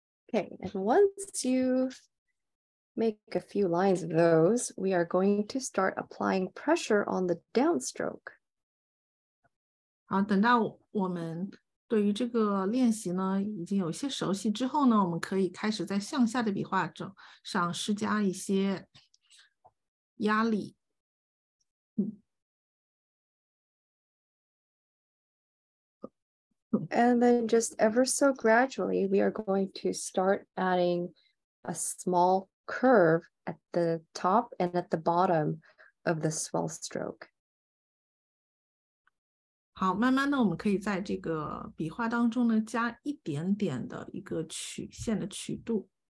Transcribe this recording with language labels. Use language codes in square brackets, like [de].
[en] Okay, and once you make a few lines of those, we are going to start applying pressure on the downstroke. [zh] 好，等到我们对于这个练习呢，已经有一些熟悉之后呢，我们可以开始在向下的笔画中上施加一些压力。 [en] And then just ever so gradually, we are going to start adding a small curve at the top and at the bottom of the swell stroke. [zh] 好，慢慢的，我们可以在这个笔画当中呢，加一点点的一个曲线的曲度。